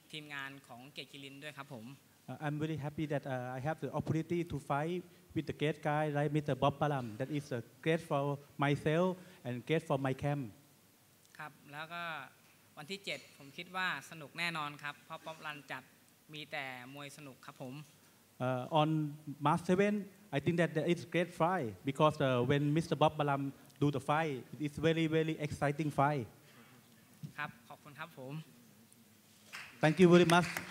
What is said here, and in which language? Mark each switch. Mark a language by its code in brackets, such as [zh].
[th] ครับผมรู้สึกดีใจมากที่ได้มาต่อยรายการของป๊อปอลันนะครับก็เป็นเกียรติอย่างยิ่งกับวงตระกูลผมด้วยแล้วก็ทีมงานของเกียรติคิรินด้วยครับผม [en] I'm very happy that I have the opportunity to fight with the great guy like Mr. Bob Balam that is great for myself and great for my camp [th] ครับแล้วก็วันที่ 7 ผมคิดว่าสนุกแน่นอนครับเพราะป๊อปอลันจัด มีแต่มวยสนุกครับผม [en] On March 7 I think that it's great fight because when Mr. Bob Balam do the fight it is very very exciting fight [th] ครับขอบคุณครับผม [en] Thank you very much